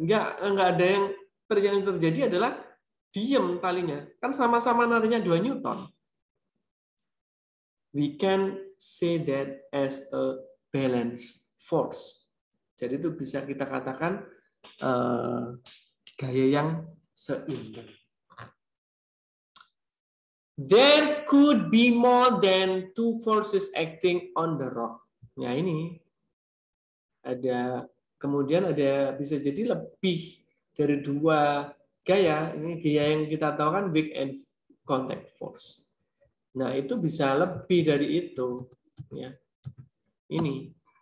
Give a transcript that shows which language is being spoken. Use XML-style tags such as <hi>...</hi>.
<id>Enggak ada yang terjadi adalah diem talinya. Kan sama-sama nariknya 2 newton.</id> <en>We can say that as a balance force.</en> <id>Jadi itu bisa kita katakan gaya yang seimbang.</id> <en>There could be more than two forces acting on the rock.</en> <id>Ya ini ada kemudian ada bisa jadi lebih dari dua gaya. Ini gaya yang kita tahu kan weak and contact force. Nah itu bisa lebih dari itu ya ini.</id>